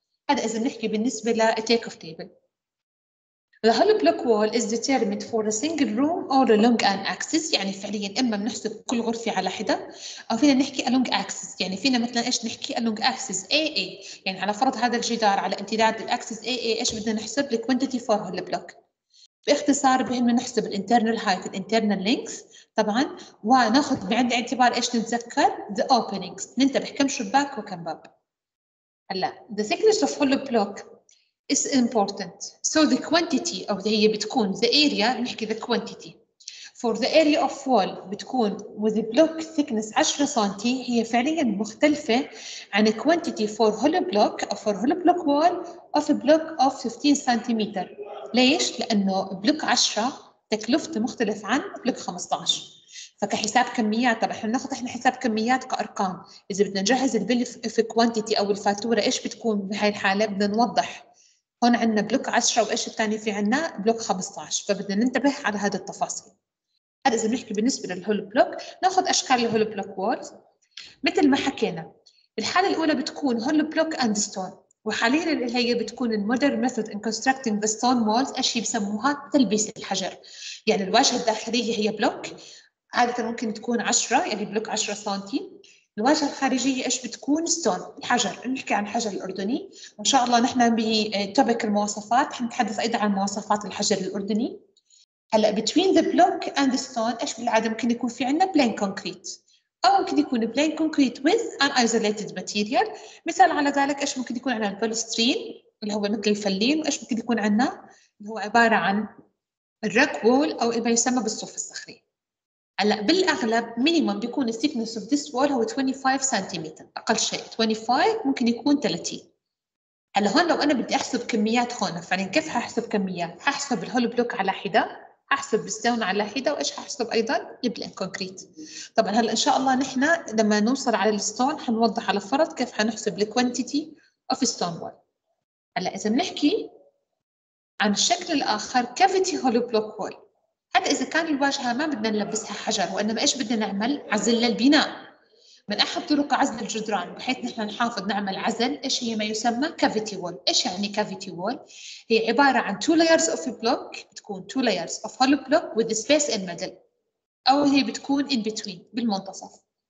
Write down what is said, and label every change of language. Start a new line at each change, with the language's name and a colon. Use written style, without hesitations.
Arabic: هذا اذا بنحكي بالنسبه للتيك اوف تيبل.
English: The whole block wall is determined for a single room or a long an axis،
Arabic: يعني فعليا اما بنحسب كل غرفه على حده او فينا نحكي a long axis، يعني فينا مثلا ايش نحكي
English: a long axis AA،
Arabic: يعني على فرض هذا الجدار على امتداد الاكسس AA ايش بدنا نحسب؟ الكوانتيتي فور هول بلوك. باختصار بهم نحسب الانترنال هايت الانترنال لينكس طبعا، وناخذ بعين الاعتبار ايش نتذكر؟
English: the openings،
Arabic: ننتبه كم شباك وكم باب.
English: هلا the thickness of hollow block is important. So the quantity of the area بتكون the area نحكي the quantity for the area of wall بتكون with the block thickness 10 سنتي
Arabic: هي فعليا مختلفة عن
English: quantity for hollow block or for hollow block wall of a block of 15 سنتيمتر.
Arabic: ليش؟ لأنه بلوك 10 تكلفته مختلف عن بلوك 15. فكحساب كميات طبعا احنا بناخذ احنا حساب كميات كارقام، اذا بدنا نجهز البيل في كوانتيتي او الفاتوره ايش بتكون بهاي الحاله بدنا نوضح هون عندنا بلوك 10 وايش الثاني في عندنا بلوك 15، فبدنا ننتبه على هذا التفاصيل. هذا اذا بنحكي بالنسبه للهول بلوك ناخذ اشكال الهول بلوك وولز مثل ما حكينا. الحاله الاولى بتكون هول بلوك اند ستون، وحاليا اللي هي بتكون
English: المودرن method in constructing the stone walls
Arabic: اشي بسموها تلبيس الحجر، يعني الواجهه الداخليه هي بلوك عادة ممكن تكون 10 يعني بلوك 10 سنتي، الواجهة الخارجية ايش بتكون ستون الحجر، نحكي عن الحجر الأردني وإن شاء الله نحن بتوبك المواصفات حنتحدث أيضا عن مواصفات الحجر الأردني.
English: هلا between the block and the stone
Arabic: ايش بالعادة ممكن يكون في عندنا
English: plain concrete أو ممكن يكون plain concrete with an isolated material.
Arabic: مثال على ذلك ايش ممكن يكون عندنا البولسترين اللي هو مثل الفلين، وايش ممكن يكون عندنا اللي هو عبارة عن الرك وول أو ما يسمى بالصوف الصخري. هلا بالاغلب مينيمم بيكون
English: الثيكنس of this wall
Arabic: هو 25 سنتيمتر، اقل شيء 25 ممكن يكون 30. هلا هون لو انا بدي احسب كميات هون فعلا كيف ححسب كميات؟ ححسب الهول بلوك على حده، ححسب الستون على حده، وايش ححسب ايضا؟ البلين كونكريت. طبعا هلا ان شاء الله نحن لما نوصل على الستون حنوضح على الفرض كيف حنحسب
English: الكوانتيتي of stone wall.
Arabic: هلا اذا بنحكي عن الشكل الاخر كافيتي هول بلوك وول، هذا إذا كان الواجهة ما بدنا نلبسها حجر وإنما إيش بدنا نعمل؟ عزل للبناء. من أحد طرق عزل الجدران بحيث نحن نحافظ نعمل عزل إيش هي ما يسمى cavity wall. إيش يعني
English: cavity wall؟ هي عبارة عن two layers of a block، بتكون two layers of hollow block with the space in middle، أو هي بتكون in between بالمنتصف.